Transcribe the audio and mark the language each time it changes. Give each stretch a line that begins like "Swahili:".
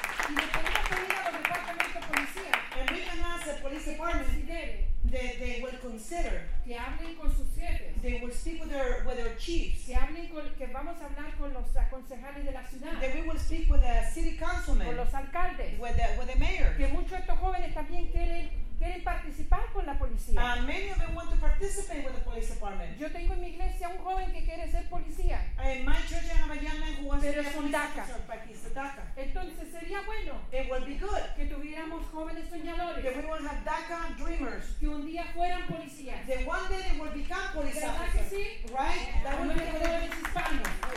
Spanish: Y le podemos pedir a los departamentos de policía.
English: And we can ask the police department that they will consider.
Spanish: Que hablen con sus jefes.
English: They will speak with their chiefs.
Spanish: Que hablen con, que vamos a hablar con los concejales de la ciudad.
English: That we will speak with the city councilmen.
Spanish: Con los alcaldes.
English: With the mayor.
Spanish: Que muchos de estos jóvenes también quieren participar con la policía.
English: Many of them want to participate with the police department.
Spanish: Yo tengo en mi iglesia un joven que quiere ser policía.
English: In my church I have a young man who wants
Spanish: pero
English: to be a police DACA. Officer, but he's a DACA.
Spanish: Entonces sería bueno.
English: It would be good.
Spanish: Que tuviéramos jóvenes soñadores.
English: That we will have DACA dreamers.
Spanish: Que un día fueran policías.
English: That one day they will become police officers.
Spanish: Sí?
English: Right? That would be good.
Spanish: Jóvenes hispanos.